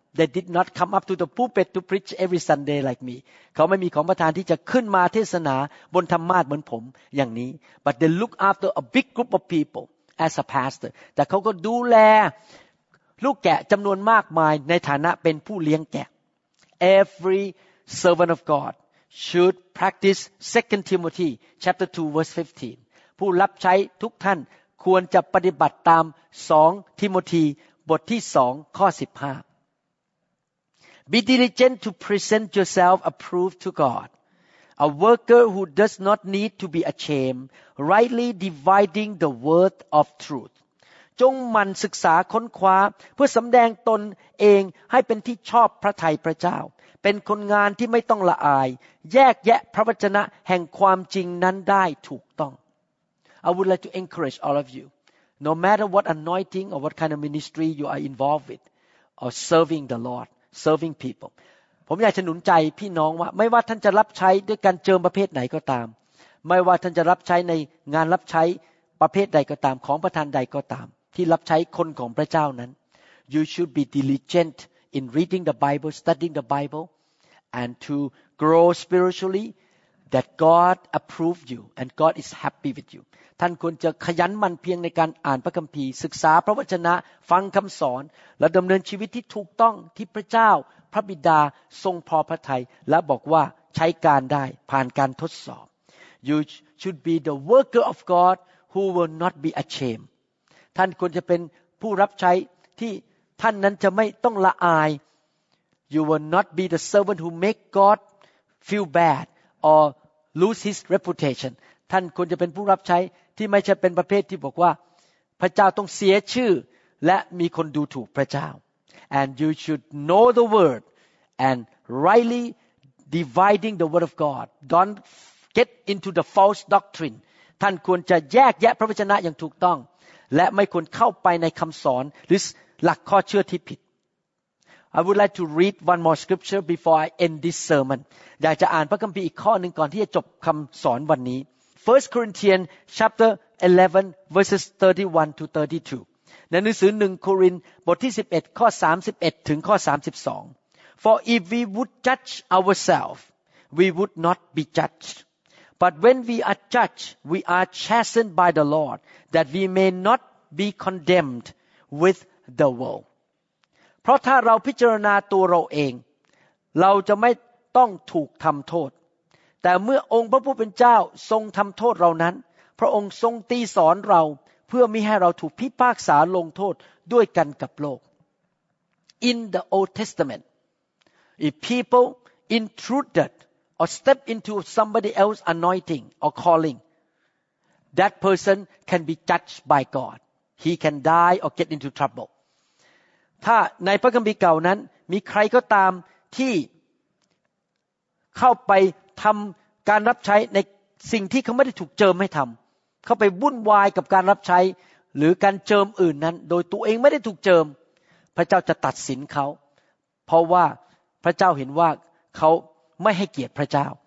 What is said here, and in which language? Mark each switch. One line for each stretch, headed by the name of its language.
English: They did not come up to the pulpit to preach every Sunday like me
Thai: เขาไม่มีของประทานที่จะขึ้นมาเทศนาบนธรรมาสน์เหมือนผมอย่างนี้
English: But they look after a big group of people as a pastor
Thai: แต่เขาก็ดูแลลูกแกะจำนวนมากมายในฐานะเป็นผู้เลี้ยงแกะ
English: Every servant of God should practice 2 Timothy chapter 2 verse 15
Thai: ผู้รับใช้ทุกท่านควรจะปฏิบัติตาม2ทิโมธีบทที่2ข้อ15
English: Be diligent to present yourself approved to God a worker who does not need to be ashamed rightly dividing the word of truth
Thai: จงหมั่นศึกษาค้นคว้าเพื่อสำแดงตนเองให้เป็นที่ชอบพระทัยพระเจ้าเป็นคนงานที่ไม่ต้องละอายแยกแยะพระวจนะแห่งความจริงนั้นได้ถูกต้อง
English: I would like to encourage all of you, no matter what anointing or what kind of ministry you are involved with, or serving the Lord, serving people.
Thai: ผมอยากจะหนุนใจพี่น้องว่าไม่ว่าท่านจะรับใช้ด้วยการเจิมประเภทไหนก็ตามไม่ว่าท่านจะรับใช้ในงานรับใช้ประเภทใดก็ตามของประธานใดก็ตามที่รับใช้คนของพระเจ้านั้น
English: You should be diligent in reading the Bible, studying the Bible, and to grow spiritually. That God approved you and God is happy with you.
Thai: ท่านควรจะขยันหมั่นเพียรในการอ่านพระคัมภีร์ศึกษาพระวจนะฟังคำสอนและดำเนินชีวิตที่ถูกต้องที่พระเจ้าพระบิดาทรงพอพระทัยและบอกว่าใช้การได้ผ่านการทดสอบ
English: You should be the worker of God who will not be ashamed.
Thai: ท่านควรจะเป็นผู้รับใช้ที่ท่านนั้นจะไม่ต้องละอาย
English: You will not be the servant who make God feel bad. Or lose his reputation.
Thai: ท่านควรจะเป็นผู้รับใช้ที่ไม่ใช่เป็นประเภทที่บอกว่าพระเจ้าต้องเสียชื่อและมีคนดูถูกพระเจ้า
English: And you should know the word and rightly dividing the word of God. Don't get into the false doctrine.
Thai: ท่านควรจะแยกแยะพระวจนะอย่างถูกต้องและไม่ควรเข้าไปในคำสอนหรือหลักข้อเชื่อที่ผิด
English: I would like to read one more scripture before I end this sermon.
Thai: อยากจะอ่านพระคัมภีร์อีกข้อหนึ่งก่อนที่จะจบคำสอนวันนี้
English: 1 Corinthians chapter 11 verses 31 to 32.
Thai: ในหนังสือ1โครินธ์บทที่11ข้อ31ถึงข้อ32.
English: For if we would judge ourselves, we would not be judged. But when we are judged, we are chastened by the Lord, that we may not be condemned with the world.
Thai: เพราะถ้าเราพิจารณาตัวเราเองเราจะไม่ต้องถูกทำโทษแต่เมื่อองค์พระผู้เป็นเจ้าทรงทำโทษเรานั้นพระองค์ทรงตีสอนเราเพื่อมิให้เราถูกพิพากษาลงโทษด้วยกันกับโลก
English: In the Old Testament if people intruded or stepped into somebody else's anointing or calling that person can be judged by God he can die or get into trouble
Thai: ถ้าในพระคัมภีร์เก่านั้น มีใครก็ตามที่เข้าไปทำการรับใช้ในสิ่งที่เขาไม่ได้ถูกเจิมให้ทำเขาไปวุ่นวายกับการรับใช้หรือการเจิมอื่นนั้นโดยตัวเองไม่ได้ถูกเจิมพระเจ้าจะตัดสินเขาเพราะว่าพระเจ้าเห็นว่าเขาไม่ให้เกียรติพระเจ้า